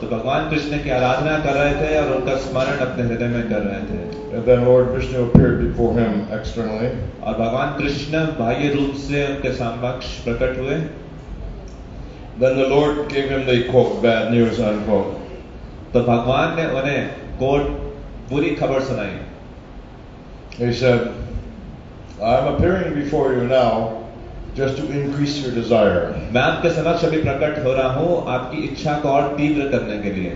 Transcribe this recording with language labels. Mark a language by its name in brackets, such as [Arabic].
[Hindi] तो भगवान कृष्ण की आराधना कर रहे थे और उनका स्मरण अपने हृदय में कर रहे थे। [English] And then Lord Vishnu appeared before him externally. [Hindi] और भगवान कृष्ण बाह्य रूप से उनके समक्ष प्रकट हुए। [English] Then the Lord gave him the quote bad news unquote. [Hindi] तो भगवान ने उन्हें कोट बुरी खबर सुनाई। [English] He said, I'm appearing before you now just to increase your desire. [Hindi] मैं आपके समक्ष अभी प्रकट हो रहा हूँ आपकी इच्छा को और तीव्र करने के लिए।